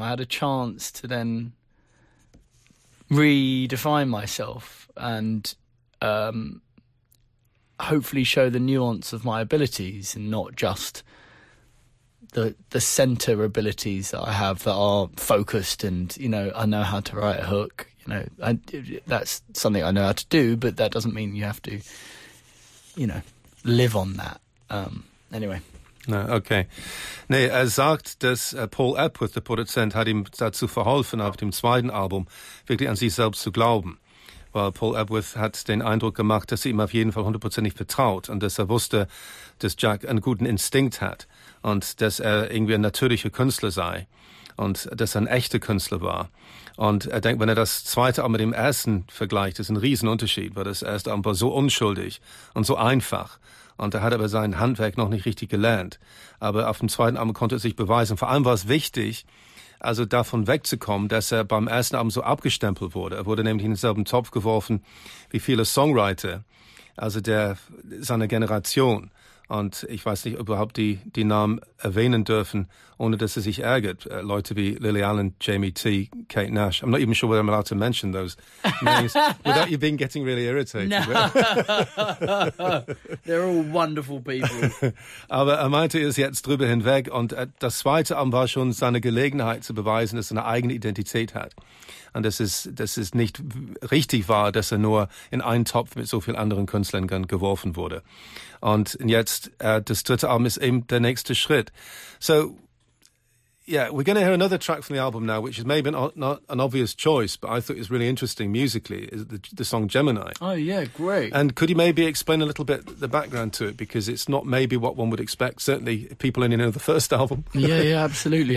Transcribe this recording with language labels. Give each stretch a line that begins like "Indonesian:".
English: I had a chance to then redefine myself and hopefully show the nuance of my abilities and not just the centre abilities that I have that are focused and, you know, I know how to write a hook. No, that's something I know how to do, but that doesn't mean you have to, you know, live on that. Anyway. No, okay.
German: Nee, sagt, dass Paul Epworth, der Produzent, hat ihm dazu verholfen, auf dem zweiten Album wirklich an sich selbst zu glauben. Weil Paul Epworth hat den Eindruck gemacht, dass er ihm auf jeden Fall hundertprozentig vertraut und dass er wusste, dass Jack einen guten Instinkt hat und dass er irgendwie ein natürlicher Künstler sei. Und dass er ein echter Künstler war. Und er denkt, wenn er das zweite Album mit dem ersten vergleicht, ist ein Riesenunterschied, weil das erste Album war so unschuldig und so einfach. Und er hat aber sein Handwerk noch nicht richtig gelernt. Aber auf dem zweiten Album konnte er sich beweisen. Vor allem war es wichtig, also davon wegzukommen, dass er beim ersten Album so abgestempelt wurde. Er wurde nämlich in denselben Topf geworfen wie viele Songwriter, also seiner Generation. Und ich weiß nicht, ob überhaupt die Namen erwähnen dürfen, ohne dass er sich ärgert. Leute wie Lily Allen, Jamie T, Kate Nash.
English: I'm not even sure whether I'm allowed to mention those names without you being getting really irritated. No. They're all wonderful people.
German: Aber er meinte, er ist jetzt drüber hinweg. Und das zweite Album war schon seine Gelegenheit zu beweisen, dass er eine eigene Identität hat. Und dass es nicht richtig war, dass er nur in einen Topf mit so vielen anderen Künstlern geworfen wurde. Und jetzt, das dritte Album ist eben der nächste Schritt. So,
English: Yeah, we're going to hear another track from the album now, which is maybe not an obvious choice, but I thought it was really interesting musically, is the song Gemini. Oh, yeah, great. And could you maybe explain a little bit the background to it? Because it's not maybe what one would expect, certainly people only know the first album. Yeah, absolutely.